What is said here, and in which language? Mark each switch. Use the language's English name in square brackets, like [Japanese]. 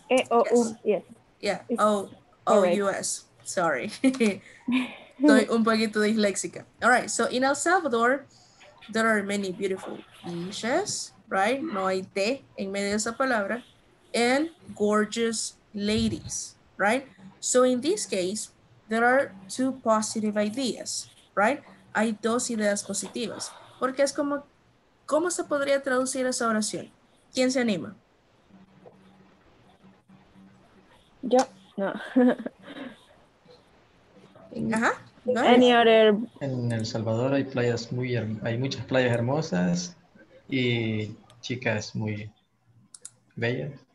[English] E-O-U, yes. Yeah, O-U-S. Sorry. [Spanish] Estoy un poquito disléxica. [English] All right, so in El Salvador, there are many beautiful beaches, right? [Spanish] No hay T en medio de esa palabra. [English] And gorgeous ladies. Right? So in this case, there are two positive ideas, right? [Spanish] Hay dos ideas positivas. Porque es como, ¿cómo se podría traducir esa oración? ¿Quién se anima? Yo, no. Ajá, [English] Nice. Any other? [Spanish] En El Salvador hay playas muy hay muchas playas hermosas y chicas muy bellas.